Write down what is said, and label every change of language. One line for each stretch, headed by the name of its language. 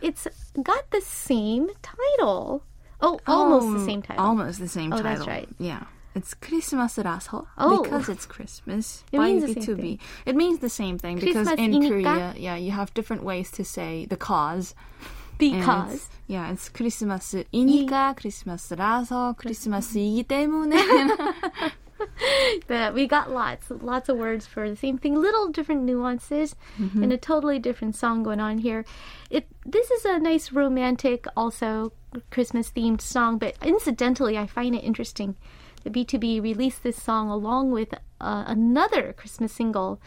English: It's got the same title. Almost the same title. Almost the same title. Oh, that's right. Yeah. It's
Korean: 크리스마스라서,
English: because it's Christmas, it means the same thing. It means the same thing, because in Korea, you have different ways to say the cause. Because.
Korean: It's 크리스마스이니까, 크리스마스라서, 크리스마스이기 때문에.
English: But we got lots of words for the same thing, little different nuances, mm-hmm. and a totally different song going on here. This is a nice romantic, also Christmas-themed song, but incidentally, I find it interesting. B2B released this song along with another Christmas single